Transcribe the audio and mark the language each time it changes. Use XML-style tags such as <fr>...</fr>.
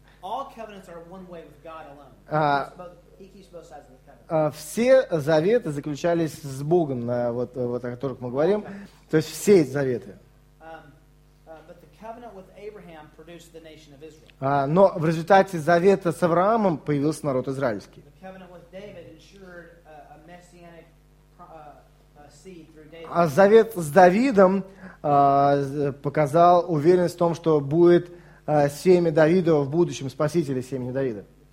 <en>All covenants are one way with God alone. He keeps both sides of the covenant.</en> <ru>Все заветы заключались с Богом, о которых мы говорим. То есть все заветы.</ru> <en>But the covenant with Abraham produced the nation of Israel.</en> <ru>Но в результате завета с Авраамом появился народ израильский.</ru> <en>The covenant with David ensured a messianic seed through David.</en> <ru>А завет с Давидом показал уверенность в том, что будет семя Давидова в будущем, спасителя семени Давида.</ru>